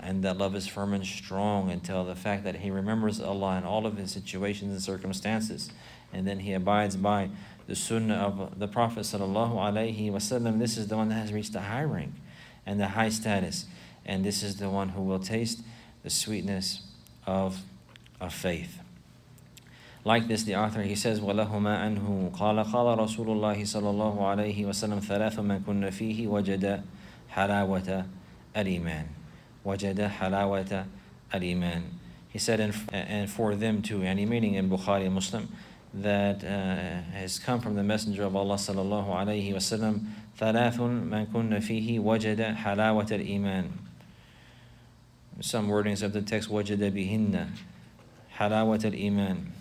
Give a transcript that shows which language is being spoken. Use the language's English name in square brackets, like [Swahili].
[English] And that love is firm and strong until the fact that he remembers Allah in all of his situations and circumstances. And then he abides by the sunnah of the Prophet sallallahu alayhi wa sallam. This is the one that has reached a high rank and the high status. And this is the one who will taste the sweetness of faith. Like this, the author, he says, [Arabic] وَلَهُمَا أَنْهُ قَالَ قَالَ رَسُولُ اللَّهِ صَلَى اللَّهُ عَلَيْهِ وَسَلَمْ ثَلَاثٌ مَنْ كُنَّ فِيهِ وَجَدَ حَلَاوَةَ الْإِيمَانِ وَجَدَ حَلَاوَةَ الْإِيمَانِ. [English] He said, and for them too, any meaning in Bukhari Muslim, that has come from the Messenger of Allah صلى الله عليه وسلم, [Arabic] ثَلَاثٌ مَنْ كُنَّ فِيهِ وَجَدَ حَلَاوَةَ الْإِيمَانِ. [English] Some wordings of the text, [Arabic] وَجَدَ بِهِنَّ حَلَاوَةَ الْإِيمَانِ.